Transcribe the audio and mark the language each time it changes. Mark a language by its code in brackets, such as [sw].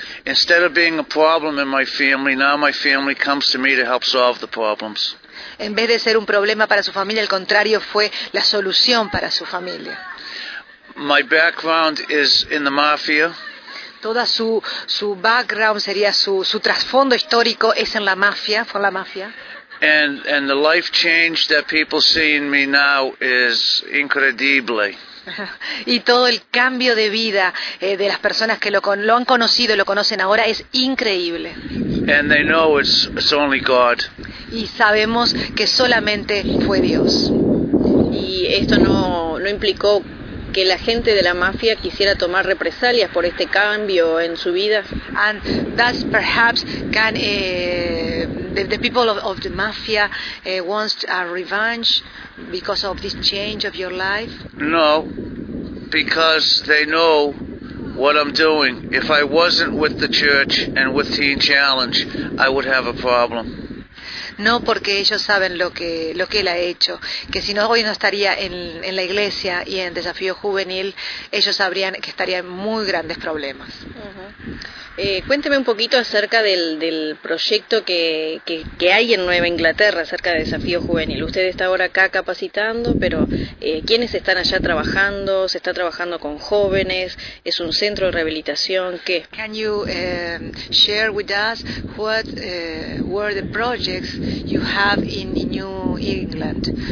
[en] Instead of being a problem in my family, now my family comes to me to help solve the problems. [es] En vez de ser un problema para su familia, al contrario, fue la solución para su familia. [en] My background is in the mafia. [es] Toda su background sería su trasfondo histórico es en la mafia, fue en la mafia. [en] And the life change that people see in me now is incredible. [es] Y todo el cambio de vida de las personas que lo han conocido y lo conocen ahora es increíble. [en] And they know it's only God. [es] Y sabemos que solamente fue Dios. Y esto no implicó que la gente de la mafia quisiera tomar represalias por este cambio en su vida. [en] And that's perhaps can the people of the mafia wants a revenge because of this change of your life? No, because they know what I'm doing. If I wasn't with the church and with Teen Challenge, I would have a problem. [es] No, porque ellos saben lo que él ha hecho, que si no hoy no estaría en la iglesia y en Desafío Juvenil, ellos sabrían que estaría en muy grandes problemas. Uh-huh. Cuénteme un poquito acerca del proyecto que hay en Nueva Inglaterra acerca de Desafío Juvenil. Usted está ahora acá capacitando, pero ¿quiénes están allá trabajando? ¿Se está trabajando con jóvenes? ¿Es un centro de rehabilitación? ¿Qué? [en] Can you share with us what were the projects you have in New England?